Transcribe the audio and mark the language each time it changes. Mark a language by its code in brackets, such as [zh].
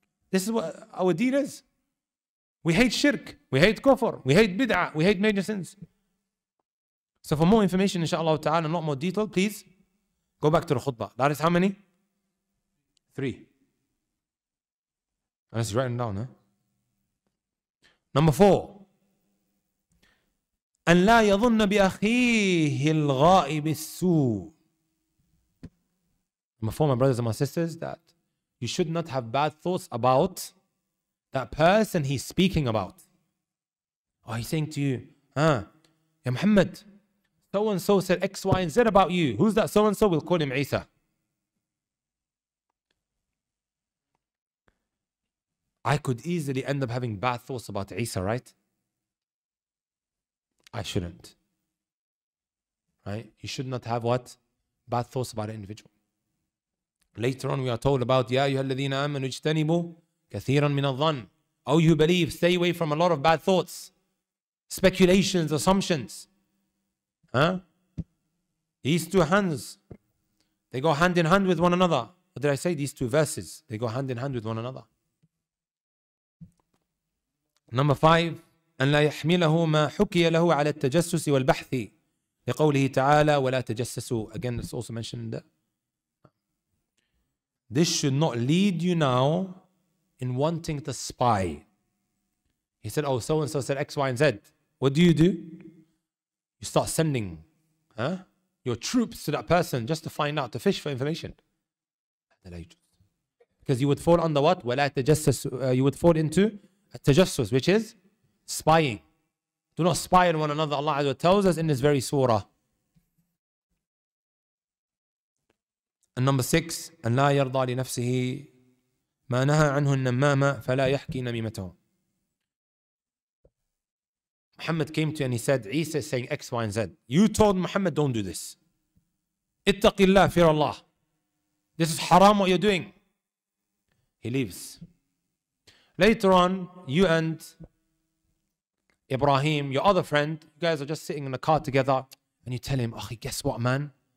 [en] This is what our deen is. We hate shirk. We hate kufr. We hate bid'ah. We hate major sins. So for more information, inshaAllah ta'ala, and a lot more detail, please go back to the khutbah. That is how many? Three. And it's written down, huh? Number four. [ar] أن لا يظن بأخيه الغائب السوء. [en] Number four, my brothers and my sisters, that you should not have bad thoughts about that person he's speaking about. Oh, he's saying to you, huh? Ya Muhammad, so-and-so said X, Y, and Z about you. Who's that so-and-so? We'll call him Isa. I could easily end up having bad thoughts about Isa, right? I shouldn't. Right? You should not have what? Bad thoughts about an individual. Later on, we are told about, [ar] يَا أَيُّهَا الَّذِينَ آمَنُوا اجْتَنِبُوا كَثِيرًا مِنَ الظَّنِّ. [en] Oh, you believe, stay away from a lot of bad thoughts, speculations, assumptions. Huh? These two hands, they go hand in hand with one another. What did I say? These two verses, they go hand in hand with one another. Number five, [ar] أن لا يحمله ما حكي له على التجسس والبحث لقوله تعالى ولا تجسسوا. [en] Again, it's also mentioned. This should not lead you now in wanting to spy. He said, oh, so-and-so said X, Y, and Z. What do? You start sending your troops to that person just to find out, to fish for information. Because you would fall under what? [ar] ولا تجسس, [en] you would fall into التجسس, which is spying. Do not spy on one another. Allah Azza tells us in this very surah. And number six, [ar] أن لا يرضى لنفسه ما نهى عنه النمامة فلا يحكي نميمته. [en] Muhammad came to you and he said, Isa is saying X, Y, and Z. You told Muhammad, don't do this. [ar] اتق الله, [en] fear Allah. This is haram what you're doing. He leaves. Later on, you and Ibrahim, your other friend, you guys are just sitting in the car together and you tell him, Akhi, guess what, man?